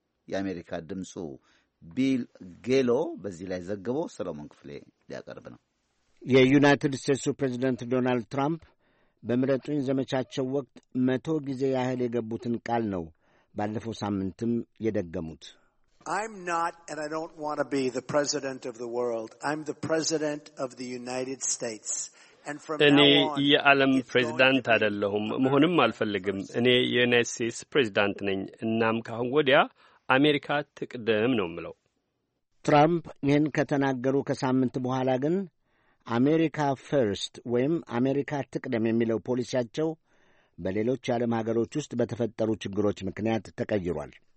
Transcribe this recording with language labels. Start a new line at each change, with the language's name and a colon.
Amharic: የአሜሪካ ድምፁ ቢል ጌሎ በዚህ ላይ ዘግቦ ሰለሞን ክፍሌ ሊያቀርብ ነው። የዩናይትድ ስቴትሱ ፕሬዚደንት ዶናልድ ትራምፕ በምረጡኝ ዘመቻቸው ወቅት 100 ጊዜ ያህል የገቡትን ቃል ነው ባለፈው ሳምንትም የደገሙት።
English: I'm not and I don't want to be the president of the world. I'm the president of the United States.
Amharic: እኔ የዓለም ፕሬዚዳንት አይደለሁም፣ መሆንም አልፈልግም። እኔ የዩናይትድ ስቴትስ ፕሬዚዳንት ነኝ። እናም ካሁን ወዲያ አሜሪካ ትቅደም ነው የምለው። ትራምፕ ይህን ከተናገሩ ከሳምንት በኋላ ግን አሜሪካ ፈርስት ወይም አሜሪካ ትቅደም የሚለው ፖሊሲያቸው በሌሎች የዓለም ሀገሮች ውስጥ በተፈጠሩ ችግሮች ምክንያት ተቀይሯል።